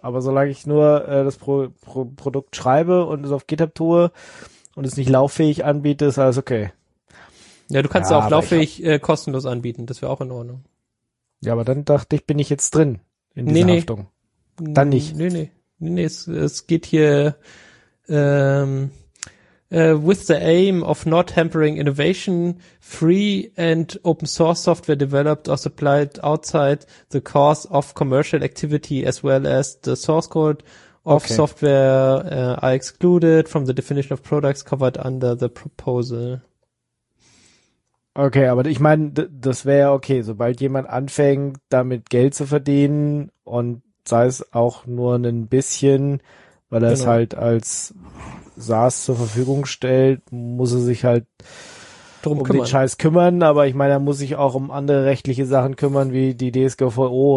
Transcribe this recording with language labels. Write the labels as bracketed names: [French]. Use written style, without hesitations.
[German] Aber solange ich nur das Produkt schreibe und es auf GitHub tue und es nicht lauffähig anbiete, ist alles okay. Ja, du kannst es auch lauffähig kostenlos anbieten. Das wäre auch in Ordnung. Ja, aber dann dachte ich, bin ich jetzt drin. In dieser Haftung. Dann nicht. Nee, nee. Nee, es geht hier [English] with the aim of not hampering innovation, free and open source software developed or supplied outside the course of commercial activity as well as the source code of software are excluded from the definition of products covered under the proposal. [German] Okay, aber ich meine, das wäre okay, sobald jemand anfängt, damit Geld zu verdienen und sei es auch nur ein bisschen, weil er es halt als SaaS zur Verfügung stellt, muss er sich halt drum um kümmern. Den Scheiß kümmern, aber ich meine, er muss sich auch um andere rechtliche Sachen kümmern, wie die DSGVO.